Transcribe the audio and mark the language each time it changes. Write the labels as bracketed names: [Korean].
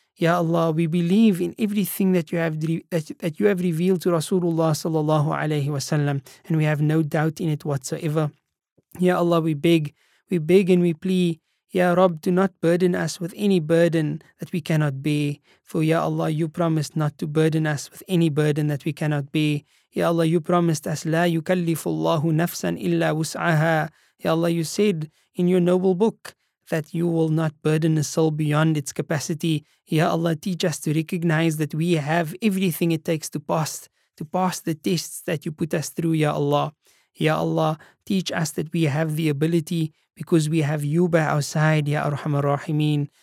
[English] Ya Allah, we believe in everything that you have revealed to Rasulullah sallallahu alaihi wasallam, and we have no doubt in it whatsoever. Ya Allah, we beg and we plead, Ya Rabb, do not burden us with any burden that we cannot bear. For Ya Allah, you promised not to burden us with any burden that we cannot bear. Ya Allah, you promised us, [Arabic] لا يكلف الله نفسا إلا وسعها. [English] Ya Allah, you said in your noble book that you will not burden a soul beyond its capacity. Ya Allah, teach us to recognize that we have everything it takes to pass the tests that you put us through, Ya Allah. Ya Allah, teach us that we have the ability because we have you by our side, Ya Arhamar Rahimeen.